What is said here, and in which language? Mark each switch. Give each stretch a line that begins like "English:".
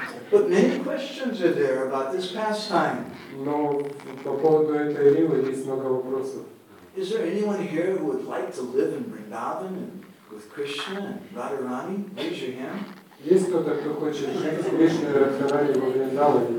English: But many questions are there about this pastime.
Russian: Но по поводу этой ривы есть много вопросов.
English: Is there anyone here who would like to live in Vrindavan and with Krishna and Radharani? Raise your hand.
Russian: Есть кто-то, кто хочет жить с Кришной и Радхарани во Вриндаване?